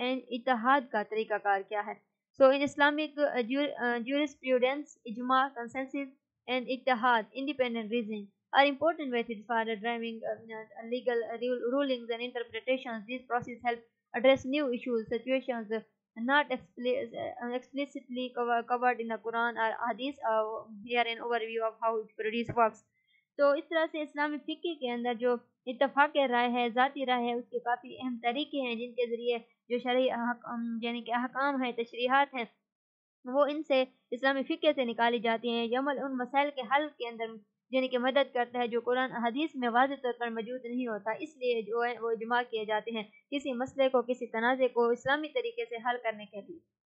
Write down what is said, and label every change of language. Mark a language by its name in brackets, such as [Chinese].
[Urdu] اتحاد کا طریقہ کار کیا ہے [English] So in Islamic jurisprudence اجماع consensus and اتحاد independent reason are important methods for driving legal rulings and interpretations. These processes help address new issues, situations not explicitly covered in the Quran or Hadith. Here an overview of how it produces works. [Urdu] So, اس طرح سے اسلامی فقہ کے اندر جو اتفاق رائے ہے ذاتی رائے ہے اس کے کافی اہم طریقے ہیں جن کے ذریعے جو شرعی یعنی کہ احکام ہیں تشریحات ہیں وہ ان سے اسلامی فقہ سے نکالی جاتی ہیں یہ عمل ان مسائل کے حل کے اندر یعنی کہ مدد کرتا ہے جو قرآن حدیث میں واضح طور پر موجود نہیں ہوتا اس لیے جو ہے وہ اجماع کیے جاتے ہیں کسی مسئلے کو کسی تنازع کو اسلامی طریقے سے حل کرنے کے لیے